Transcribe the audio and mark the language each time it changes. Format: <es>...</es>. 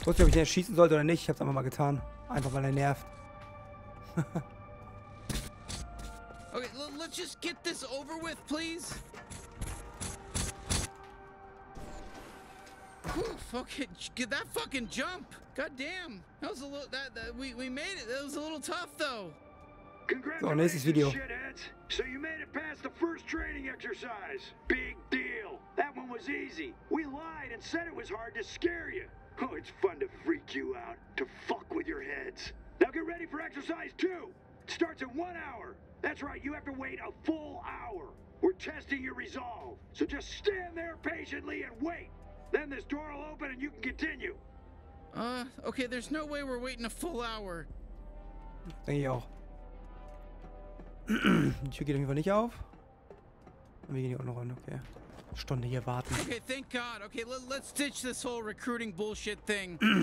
<de>Ich wusste, ob ich den erschießen sollte oder nicht. Ich hab's einfach mal getan. Einfach weil er nervt.</de> <en>Okay, let's just get this over with, please. Fucking that fucking jump! God damn! That was a little that we made it. That was a little tough though. Congratulations, shitheads. So you made it past the first training exercise. Big deal. That one was easy. We lied and said it was hard to scare you. Oh, it's fun to freak you out, to fuck with your heads. Now get ready for exercise two. It starts in 1 hour. That's right, you have to wait a full hour. We're testing your resolve. So just stand there patiently and wait. Then this door will open and you can continue. Okay, there's no way we're waiting a full hour.</en> <de>Denke ich auch. Die Tür geht auf jeden Fall nicht auf. Und wir gehen hier auch noch rein, okay. Stunde hier warten.</de> <en>Okay, thank God. Okay, let's ditch this whole recruiting bullshit thing.</en>